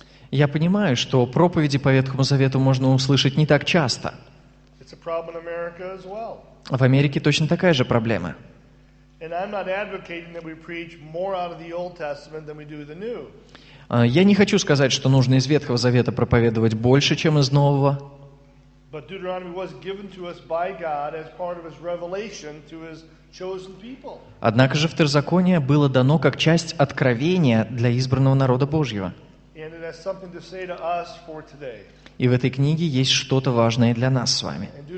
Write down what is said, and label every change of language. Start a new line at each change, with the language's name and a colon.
Russian: Я понимаю, что проповеди по Ветхому Завету можно услышать не так часто.
English: It's a problem in America as well.
Russian: В Америке точно такая же проблема.
English: And I'm not advocating that we preach more out of the Old Testament than we do the New.
Russian: Я не хочу сказать, что нужно из Ветхого Завета проповедовать больше, чем из Нового.
English: But Deuteronomy was given to us by God as part of His revelation to His chosen people.
Russian: Однако же Второзаконие было дано как часть откровения для избранного народа Божьего.
English: And it has something to say to us for today.
Russian: И в этой книге есть что-то важное для нас с вами.